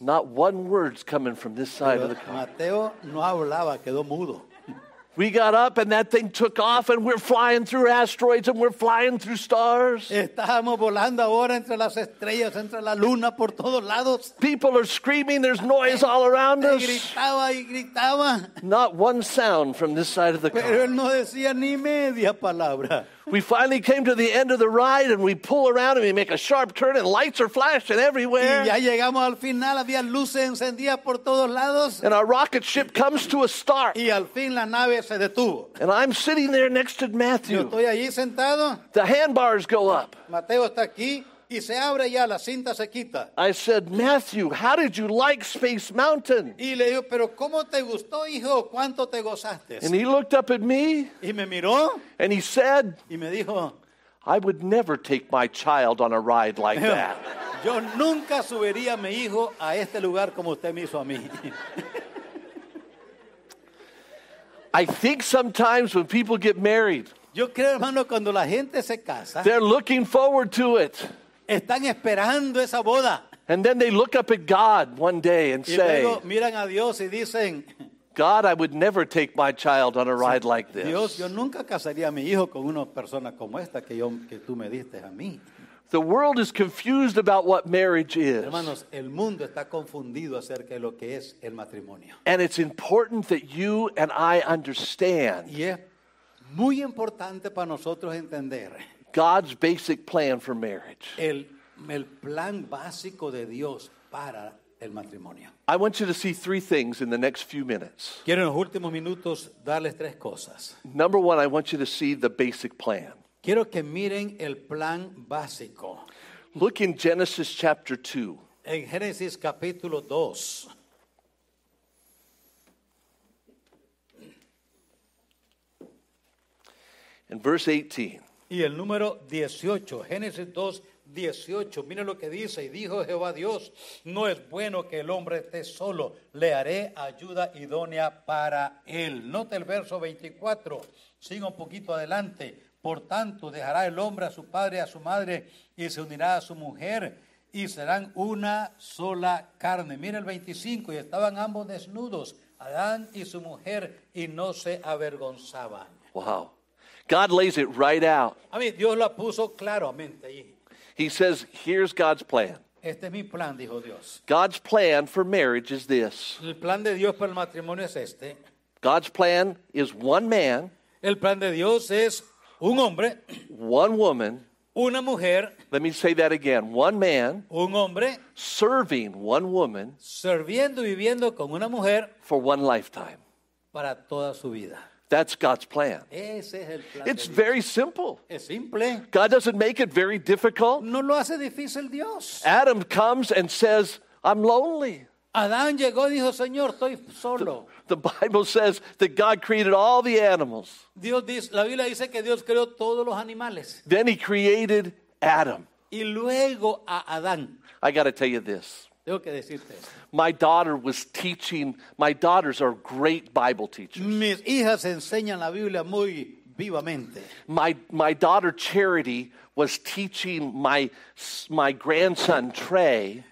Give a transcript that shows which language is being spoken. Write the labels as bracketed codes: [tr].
[en] Not one word's coming from this side [es] Mateo [en] of the car. [es] Mateo no hablaba, quedó mudo. [en] We got up and that thing took off and we're flying through asteroids and we're flying through stars. [es] Estábamos volando ahora entre las estrellas, entre la luna, por todos lados. [en] People are screaming, there's noise all around us. [es] Gritaba y gritaba. [en] Not one sound from this side of the car. [es] Pero él no decía ni media palabra. [en] We finally came to the end of the ride and we pull around and we make a sharp turn and lights are flashing everywhere. [es] Y ya llegamos al final, había luces encendidas por todos lados. [en] And our rocket ship comes to a start. [es] Y al fin la nave se detuvo. [en] And I'm sitting there next to Matthew. [es] Yo estoy allí sentado. [en] The handbars go up. [es] Mateo está aquí y se abre ya, la cinta se quita. [en] I said, Matthew, how did you like Space Mountain? [es] Y le digo, pero ¿cómo te gustó, hijo? ¿Cuánto te gozaste? [en] And he looked up at me. [es] Y me miró. [en] And he said, [es] y me dijo, [en] I would never take my child on a ride like that. [es] Yo nunca subiría a mi hijo a este lugar como usted me hizo a mí. [en] I think sometimes when people get married, [es] yo creo, hermano, cuando la gente se casa, [en] they're looking forward to it. [es] Están esperando esa boda. [en] And then they look up at God one day and say, [es] y luego miran a Dios y dicen, [en] God, I would never take my child on a ride like this. [es] Dios, yo nunca casaría a mi hijo con una persona como esta que yo que tú me diste a mí. [en] The world is confused about what marriage is. [es] Hermanos, el mundo está confundido acerca de lo que es el matrimonio. [en] And it's important that you and I understand. [es] Y es muy importante para nosotros entender [en] God's basic plan for marriage. [es] El plan básico de Dios para el matrimonio. [en] I want you to see three things in the next few minutes. [es] Quiero en los últimos minutos darles tres cosas. [en] Number one, I want you to see the basic plan. [es] Quiero que miren el plan básico. [en] Look in Genesis chapter 2. [es] En Génesis capítulo 2. [en] In verse 18. [es] Y el número 18, Génesis 2, 18. Miren lo que dice. Y dijo Jehová Dios, no es bueno que el hombre esté solo. Le haré ayuda idónea para él. Note el verso 24. Sigo un poquito adelante. Por tanto, dejará el hombre a su padre y a su madre y se unirá a su mujer y serán una sola carne. Miren el 25. Y estaban ambos desnudos, Adán y su mujer, y no se avergonzaban. [en] Wow. God lays it right out. I mean, [es] Dios lo puso claramente. [en] He says, here's God's plan. [es] Este es mi plan, dijo Dios. [en] God's plan for marriage is this. [es] El plan de Dios para el matrimonio es este. [en] God's plan is one man. [es] El plan de Dios es un hombre. [en] One woman. [es] Una mujer. [en] Let me say that again. One man. [es] Un hombre. [en] Serving one woman. [es] Serviendo y viviendo con una mujer. [en] For one lifetime. [es] Para toda su vida. [en] That's God's plan. [es] Ese es el plan. [en] It's very simple. [es] Es simple. [en] God doesn't make it very difficult. [es] No lo hace difícil Dios. [en] Adam comes and says, I'm lonely. [es] Adán llegó y dijo, Señor, estoy solo. [en] The Bible says that God created all the animals. [es] Dios dice, la Biblia dice que Dios creó todos los animales. [en] Then he created Adam. [es] Y luego a Adán. [en] I got to tell you this. [es] Tengo que decirte eso. [en] My daughter was teaching. My daughters are great Bible teachers. [es] Mis hijas enseñan la Biblia muy vivamente. [en] My daughter Charity was teaching my grandson Trey.